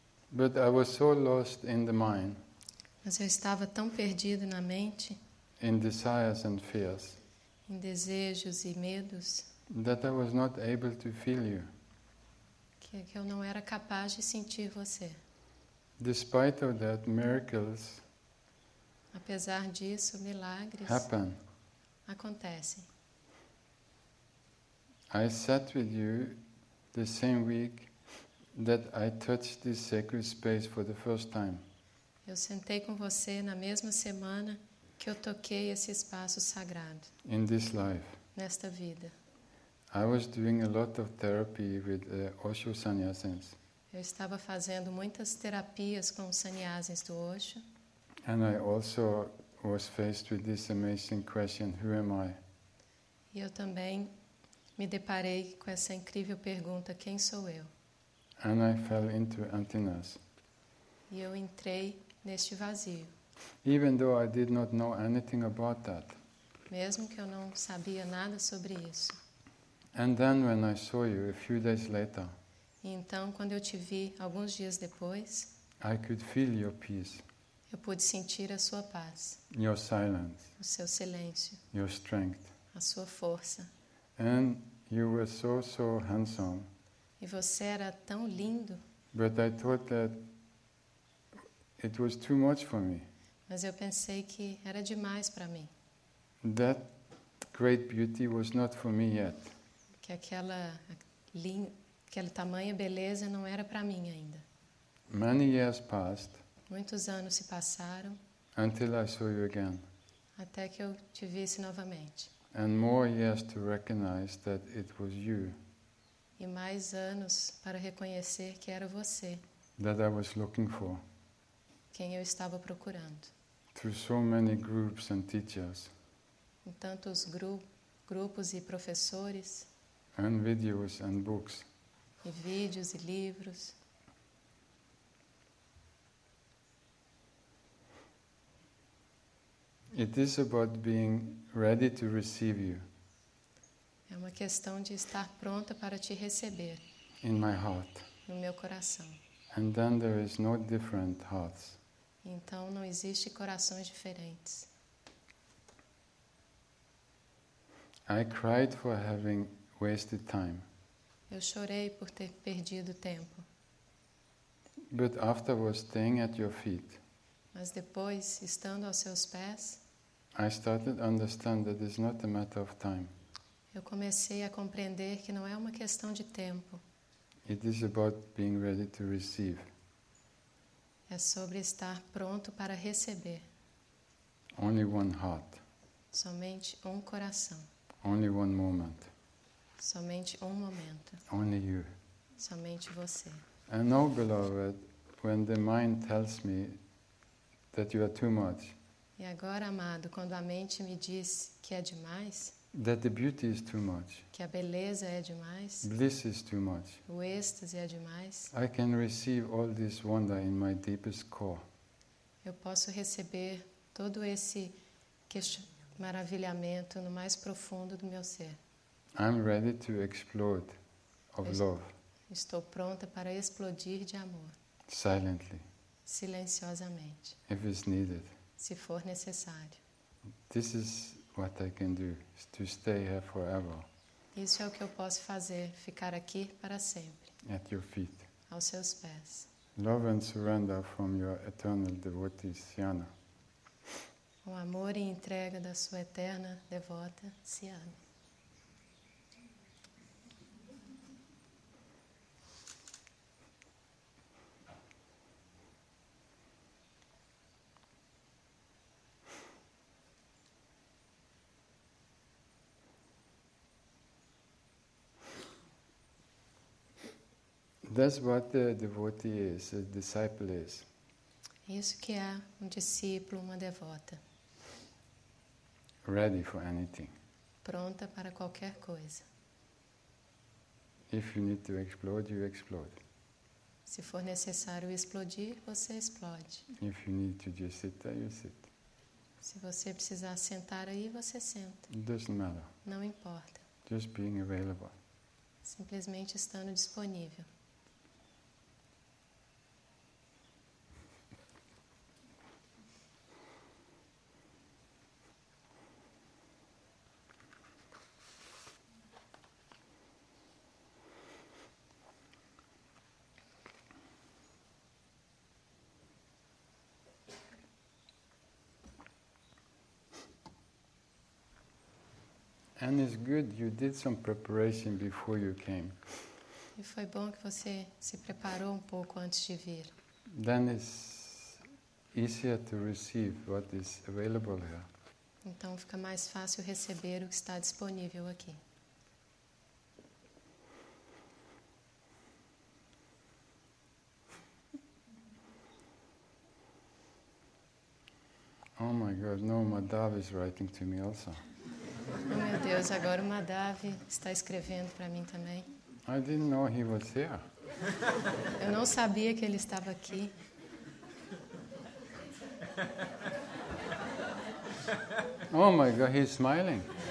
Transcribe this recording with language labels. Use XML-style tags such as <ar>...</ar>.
<en>But I was so lost in the mind.</en> <pt>Mas eu estava tão perdido na mente.</pt> <en>In desires and fears.</en> <pt>Em desejos e medos.</pt> <en>That I was not able to feel you.</en> <pt>Que eu não era capaz de sentir você.</pt> <en>Despite of that, miracles.</en> <pt>Apesar disso, milagres.</pt> <en>Happen.</en> <pt>Acontecem.</pt> <en>I sat with you the same week that I touched this sacred space for the first time.</en> <pt>Eu sentei com você na mesma semana que eu toquei esse espaço sagrado.</pt> <en>In this life.</en> <pt>Nesta vida.</pt> <en>I was doing a lot of therapy with Osho sannyasins.</en> <pt>Eu estava fazendo muitas terapias com os sannyasins do Osho.</pt> <en>And I also was faced with this amazing question, who am I?</en> <pt>E eu também me deparei com essa incrível pergunta, quem sou eu?</pt> <en>And I fell into emptiness.</en> <pt>E eu entrei neste vazio.</pt> <en>Even though I did not know anything about that.</en> <pt>Mesmo que eu não sabia nada sobre isso.</pt> <en>And then when I saw you a few days later.</en> <pt>E então quando eu te vi alguns dias depois.</pt> <en>I could feel your peace.</en> <pt>Eu pude sentir a sua paz.</pt> <en>Your silence.</en> <pt>O seu silêncio.</pt> <en>Your strength.</en> <pt>A sua força.</pt> <en>And you were so, so handsome.</en> <pt>E você era tão lindo.</pt> <en>But I thought that it was too much for me.</en> <pt>Mas eu pensei que era demais para mim.</pt> <en>That great beauty was not for me yet.</en> <pt>Que aquela tamanha beleza não era para mim ainda.</pt> <en>Many years passed.</en> <pt>Muitos anos se passaram.</pt> <en>Until I saw you again.</en> <pt>Até que eu te visse novamente.</pt> <en>And more years to recognize that it was you.</en> <pt>E mais anos para reconhecer que era você.</pt> <en>That I was looking for.</en> <pt>Quem eu estava procurando.</pt> <en>Through so many groups and teachers.</en> <pt>Em tantos grupos e professores.</pt> <en>And videos and books.</en> <pt>E vídeos e livros.</pt> <en>It is about being ready to receive you.</en> <pt>É uma questão de estar pronta para te receber.</pt> <en>In my heart.</en> <pt>No meu coração.</pt> <en>And then there is no different hearts.</en> <pt>Então não existe corações diferentes.</pt> <en>I cried for having wasted time.</en> <pt>Eu chorei por ter perdido tempo.</pt> <en>But afterwards, staying at your feet.</en> <pt>Mas depois, estando aos seus pés.</pt> <en>I started to understand that it's not a matter of time.</en> <pt>Eu comecei a compreender que não é uma questão de tempo.</pt> <en>It is about being ready to receive.</en> <pt>É sobre estar pronto para receber.</pt> <en>Only one heart.</en> <pt>Somente um coração.</pt> <en>Only one moment.</en> <pt>Somente um momento.</pt> <en>Only you.</en> <pt>Somente você.</pt> <en>I know, beloved, when the mind tells me that you are too much.</en> <pt>E agora, amado, quando a mente me diz que é demais,</pt> <en>That the beauty is too much.</en> <pt>Que a beleza é demais.</pt> <en>Bliss is too much.</en> <pt>O êxtase é demais.</pt> <en>I can receive all this wonder in my deepest core.</en> <pt>Eu posso receber todo esse maravilhamento no mais profundo do meu ser.</pt> <en>I'm ready to explode of love.</en> <pt>Estou pronta para explodir de amor.</pt> <en>Silently.</en> <pt>Silenciosamente.</pt> <en>If it's needed.</en> <pt>Se for necessário.</pt> <en>This is what I can do to stay here forever.</en> <pt>Isso é o que eu posso fazer, ficar aqui para sempre.</pt> <en>At your feet.</en> <pt>Aos seus pés.</pt> <en>Love and surrender from your eternal devotee, Siana.</en> <pt>O amor e entrega da sua eterna devota, Siana.</pt> <en>That's what the devotee is, a disciple is.</en> <pt>Isso que é discípulo, uma devota.</pt> <en>Ready for anything.</en> <pt>Pronta para qualquer coisa.</pt> <en>If you need to explode, you explode.</en> <pt>Se for necessário explodir, você explode.</pt> <en>If you need to just sit there, you sit.</en> <pt>Se você precisar sentar aí, você senta.</pt> <en>It doesn't matter.</en> <pt>Não importa.</pt> <en>Just being available.</en> <pt>Simplesmente estando disponível.</pt> <en>And it's good you did some preparation before you came.</en> <pt>E foi bom que você se preparou um pouco antes de vir.</pt> <en>Then it's easier to receive what is available here.</en> <pt>Então fica mais fácil receber o que está disponível aqui.</pt> <en>Oh my God, no, Madhav is writing to me also.</en> <pt>Oh, meu Deus, agora o Madhav está escrevendo para mim também.</pt> <en>I didn't know he was here.</en> <pt>Eu não sabia que ele estava aqui.</pt> <en>Oh my God, he's smiling.</en>